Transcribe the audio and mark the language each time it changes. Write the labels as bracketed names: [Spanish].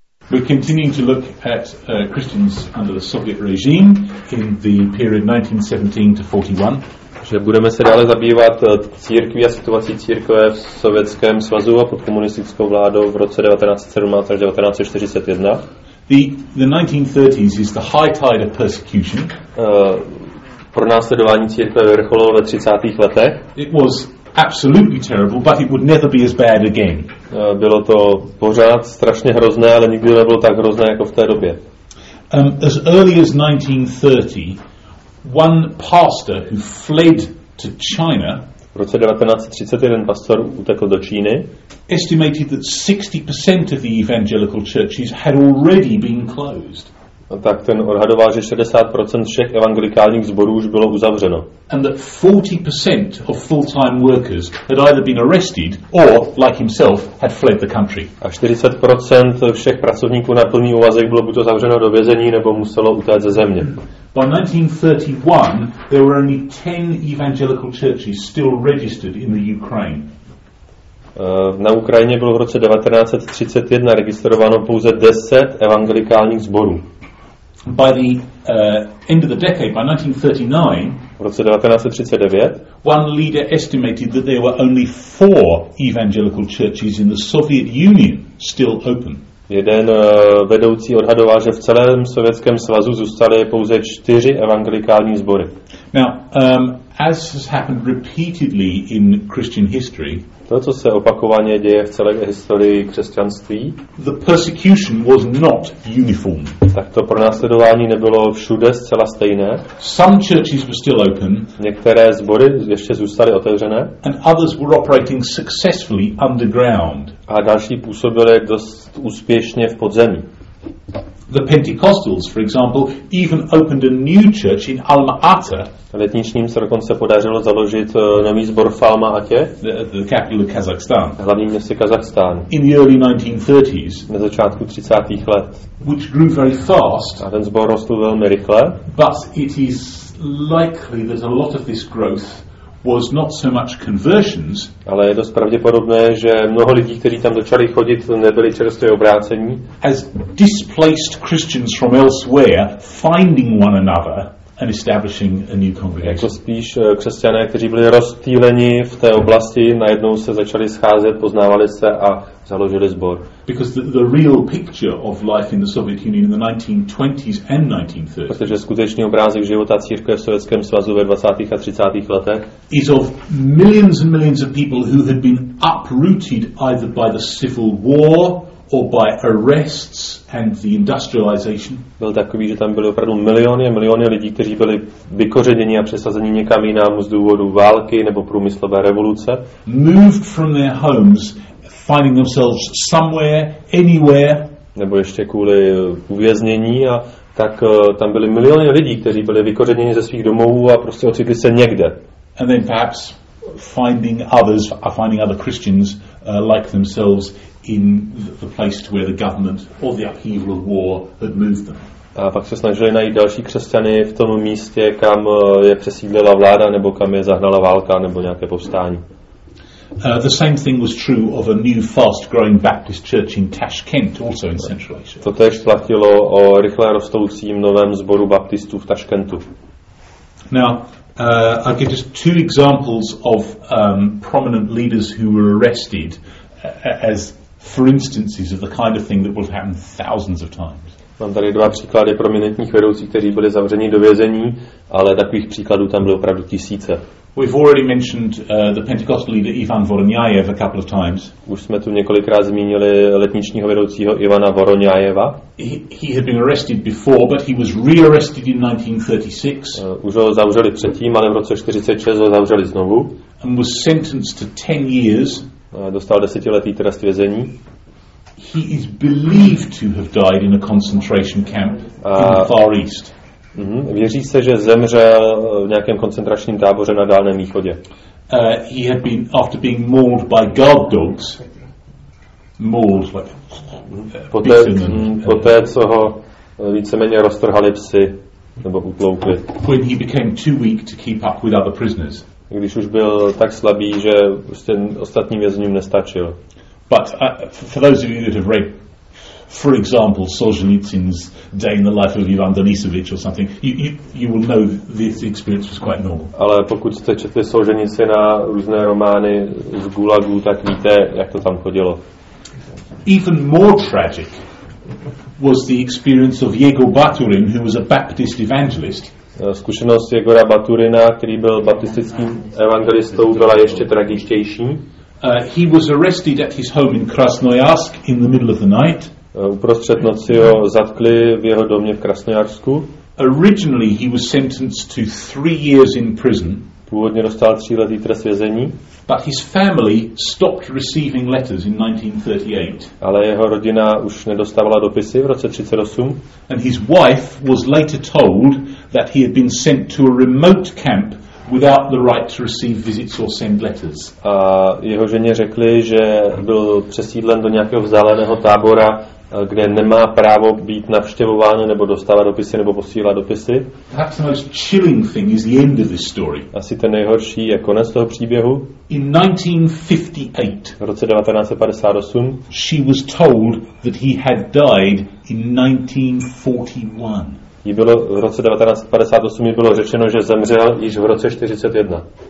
[English] We're continuing to look at Christians under the Soviet regime in the period 1917 to 1941. [Czech] Že budeme se dále zabývat církví a situací církve v Sovětském svazu a pod komunistickou vládou v roce 1917 až 1941. [English] The 1930s is the high tide of persecution. [Czech] Pronásledování církve vrcholilo ve 30. letech. [English] It was absolutely terrible, but it would never be as bad again. [Czech] Bylo to pořád strašně hrozné, ale nikdy nebylo tak hrozné jako v té době. [English] As early as 1930, one pastor who fled to China, [Czech] v roce 1930 jeden pastor utekl do Číny, [English] estimated that 60% of the evangelical churches had already been closed. [Czech] Tak ten odhadoval, že 60% všech evangelikálních sborů už bylo uzavřeno. [English] And that 40% of full-time workers had either been arrested or, like himself, had fled the country. [Czech] A 40% všech pracovníků na plný úvazek bylo buď zavřeno do vězení, nebo muselo utéct ze země. [English] By 1931, there were only 10 evangelical churches still registered in the Ukraine. [Czech] Na Ukrajině bylo v roce 1931 registrováno pouze 10 evangelikálních sborů. [English] By the end of the decade, by 1939, [Czech] v roce 1939, [English] one leader estimated that there were only 4 evangelical churches in the Soviet Union still open. [Czech] Jeden vedoucí odhadoval, že v celém Sovětském svazu zůstaly pouze 4 evangelikální sbory. [English] Now, as has happened repeatedly in Christian history, [Czech] to, co se opakovaně děje v celé historii křesťanství, [English] the persecution was not uniform. [Czech] Tak to pronásledování nebylo všude zcela stejné. [English] Some churches were still open. [Czech] Některé sbory ještě zůstaly otevřené. [English] And others were operating successfully underground. [Czech] A další působily dost úspěšně v podzemí. [English] The Pentecostals, for example, even opened a new church in Alma-Ata. [Czech] Letničním se dokonce podařilo založit nový sbor v Alma-Atě. [English] The capital of Kazakhstan. [Czech] Hlavní město Kazachstán. [English] In the early 1930s. [Czech] Na začátku 30. let. [English] Which grew very fast. [Czech] A ten sbor rostl velmi rychle. [English] But it is likely that a lot of this growth was not so much conversions, [Czech] ale je dost pravděpodobné, že mnoho lidí, kteří tam začali chodit, nebyli čerstvě obrácení, [English] as displaced Christians from elsewhere finding one another and establishing a new congregation. [Czech] Jako spíš křesťané, kteří byli rozptýleni v té oblasti, najednou se začali scházet, poznávali se a založili sbor. [English] Because the real picture of life in the Soviet Union in the 1920s and 1930s. [Czech] Protože skutečný obrázek života církve v Sovětském svazu ve 20. a 30. letech [English] is of millions and millions of people who had been uprooted either by the civil war or by arrests and the industrialization. [Czech] Byl takový, že tam byly opravdu miliony a miliony lidí, kteří byli vykořeněni a přesazeni někam jinam z důvodu války nebo průmyslové revoluce. [English] Moved from their homes, finding themselves somewhere, anywhere. [Czech] Nebo ještě kvůli uvěznění, a tak tam byly miliony lidí, kteří byli vykořeněni ze svých domovů a prostě ocitli se někde. [English] And then perhaps finding others, finding other Christians like themselves in the place to where the government or the upheaval of war had moved them. [Czech] A pak se snažili najít další křesťany v tom místě, kam je přesídlila vláda nebo kam je zahnala válka nebo nějaké povstání. [English] The same thing was true of a new fast-growing Baptist church in Tashkent, also in Central Asia. [Czech] To též platilo o rychle rostoucím novém sboru baptistů v Taškentu. [English] Now, I'll give just two examples of prominent leaders who were arrested as for instances of the kind of thing that will happen thousands of times. [Czech] Mám tady dva příklady prominentních vedoucích, kteří byli zavřeni do vězení, ale takových příkladů tam byly opravdu tisíce. [English] We've already mentioned the Pentecostal leader Ivan Voronyayev a couple of times. [Czech] Už jsme tu několikrát zmínili letničního vedoucího Ivana Voronyayeva. [English] He had been arrested before, but he was rearrested in 1936. [Czech] Už ho zavřeli předtím, ale v roce 1946 ho zavřeli znovu. [English] And was sentenced to 10 years. [Czech] Dostal desetiletý trest vězení. [English] He is believed to have died in a concentration camp in the Far East. [Czech] Věří se, že zemřel v nějakém koncentračním táboře na Dálném východě. [English] He had been, after being mauled by guard dogs, mauled like [Czech] poté, co ho víceméně roztrhali psi nebo utloukli. [English] When he became too weak to keep up with other prisoners. [Czech] Když už byl tak slabý, že prostě ostatním vězním nestačil. [English] But for those of you that have read for example, Solzhenitsyn's Day in the Life of Ivan Denisovich or something, you will know this experience was quite normal. [Czech] Ale pokud jste četli Solzhenitsyna různé romány z Gulagu, tak víte, jak to tam chodilo. [English] Even more tragic was the experience of Yegor Baturin, who was a Baptist evangelist. [Czech] Zkušenost Yegora Baturina, který byl baptistickým evangelistou, byla ještě tragičtější. [English] He was arrested at his home in Krasnoyarsk in the middle of the night. [Czech] Uprostřed noci ho zatkli v jeho domě v Krasnojarsku. [English] Originally he was sentenced to 3 years in prison. [Czech] Původně dostal 3letý trest vězení. [English] But his family stopped receiving letters in 1938. [Czech] Ale jeho rodina už nedostávala dopisy v roce 38. [English] And his wife was later told that he had been sent to a remote camp without the right to receive visits or send letters. [Czech] A jeho ženě řekli, že byl přesídlen do nějakého vzdáleného tábora, kde nemá právo být navštěvován nebo dostávat dopisy nebo posílat dopisy. [English] Perhaps the most chilling thing is the end of this story. [Czech] Asi ten nejhorší je konec toho příběhu. [English] In 1958. [Czech] V roce 1958. [English] She was told that he had died in 1941. [Czech] Jí bylo v roce 1958 jí bylo řečeno, že zemřel již v roce 41.